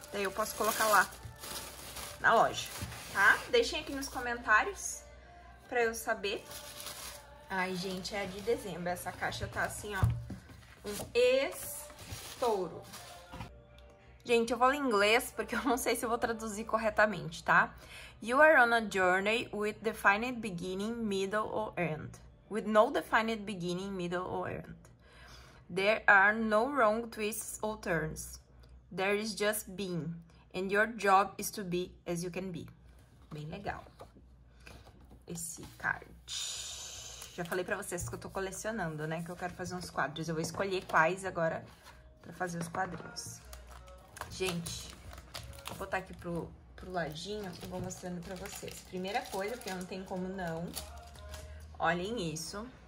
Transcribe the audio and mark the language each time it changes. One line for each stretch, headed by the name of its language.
Portuguese: Daí eu posso colocar lá na loja, tá? Deixem aqui nos comentários para eu saber. Ai, gente, é a de dezembro. Essa caixa tá assim, ó, um estouro. Gente, eu falo inglês porque eu não sei se eu vou traduzir corretamente, tá?
English: You are on a journey with defined beginning, middle or end. With no defined beginning, middle or end. There are no wrong twists or turns. There is just being. And your job is to be as you can be.
Portuguese: Bem legal. Esse card. Já falei pra vocês que eu tô colecionando, né? Que eu quero fazer uns quadros. Eu vou escolher quais agora pra fazer os quadrinhos. Gente, vou botar aqui pro ladinho e vou mostrando pra vocês. Primeira coisa, porque não tem como não. Olhem isso.